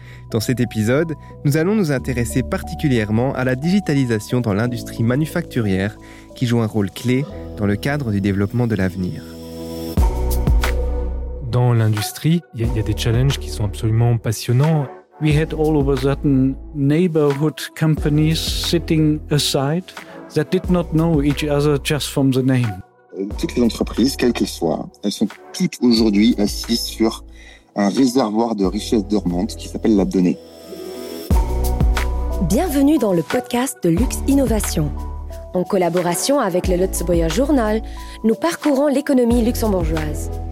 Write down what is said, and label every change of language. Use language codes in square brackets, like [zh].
[fr] Dans cet épisode, nous allons nous intéresser particulièrement à la digitalisation dans l'industrie manufacturière, qui joue un rôle clé dans le cadre du développement de l'avenir. Dans l'industrie, il y a des challenges qui sont absolument passionnants. [en] We had all of a sudden neighborhood companies sitting aside that did not know each other just from the name. [fr] Toutes les entreprises, quelles qu'elles soient, elles sont toutes aujourd'hui assises sur un réservoir de richesses dormantes qui s'appelle la donnée. Bienvenue dans le podcast de Lux Innovation. En collaboration avec le Lutzebauer Journal, nous parcourons l'économie luxembourgeoise.